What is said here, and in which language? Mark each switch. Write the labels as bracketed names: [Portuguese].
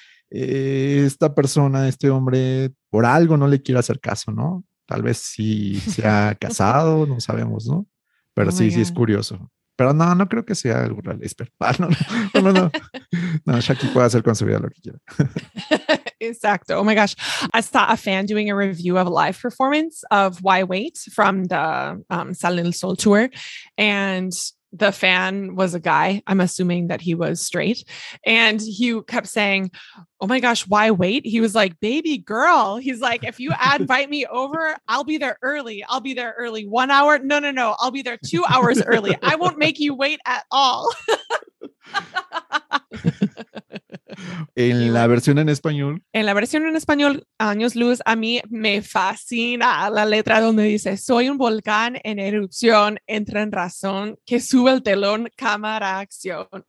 [Spanish] esta persona, este hombre, por algo no le quiere hacer caso, ¿no? Tal vez sí se ha casado, no sabemos, ¿no? Pero sí, es curioso. Pero no, no creo que sea algo real. Espera, no. No, Shaki puede hacer con su vida lo que quiera. [English] Exacto. Oh my gosh. I saw a fan doing a review of a live performance of Why Wait from the Salen del Sol tour. And the fan was a guy. I'm assuming that he was straight. And he kept saying, oh my gosh, why wait? He was like, baby girl. He's like, if you invite me over, I'll be there early. I'll be there early. 1 hour. No, no, no. I'll be there 2 hours early. I won't make you wait at all. [Spanish] En la versión en español. En la versión en español, Años Luz, a mí me fascina la letra donde dice, soy un volcán en erupción, entra en razón, que sube el telón, cámara, acción.